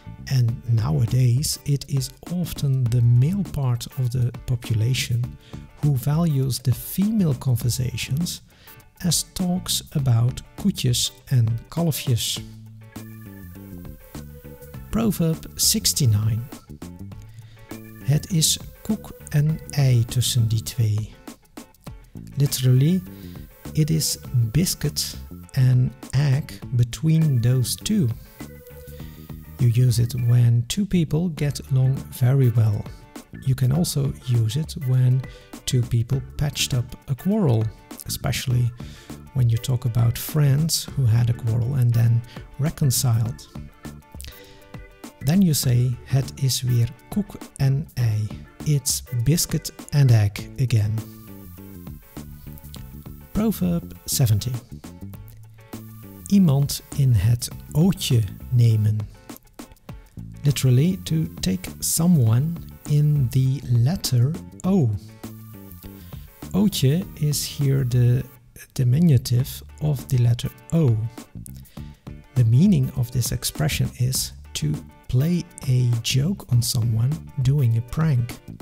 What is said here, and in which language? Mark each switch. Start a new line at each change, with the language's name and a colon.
English: And nowadays, it is often the male part of the population who values the female conversations as talks about koetjes and kalfjes. Proverb 69.
Dutch: Het is koek en ei tussen die twee.
English: Literally, it is biscuit and egg between those two. You use it when two people get along very well. You can also use it when two people patched up a quarrel, especially when you talk about friends who had a quarrel and then reconciled. Then you say,
Dutch: het is weer koek en ei.
English: It's biscuit and egg again. Proverb 70.
Dutch: Iemand in het ootje nemen.
English: Literally, to take someone in the letter O. Ootje is here the diminutive of the letter O. The meaning of this expression is to play a joke on someone doing a prank.